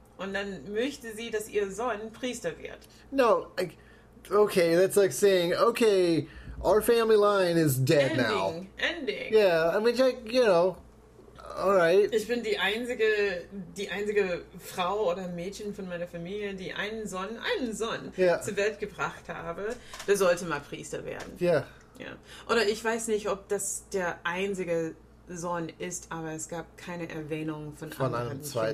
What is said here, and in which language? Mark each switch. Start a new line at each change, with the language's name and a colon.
German: Und dann möchte sie, dass ihr Sohn Priester wird.
English: No, okay, that's like saying, okay, our family line is dead now. Ending. Yeah, I mean, like, you know, all right.
German: Ich bin die einzige Frau oder Mädchen von meiner Familie, die einen Sohn
English: yeah.
German: zur Welt gebracht habe. Der sollte mal Priester werden. Ja.
English: Yeah. Yeah.
German: Oder ich weiß nicht, ob das der einzige Sohn ist, aber es gab keine Erwähnung von anderen einem zweiten.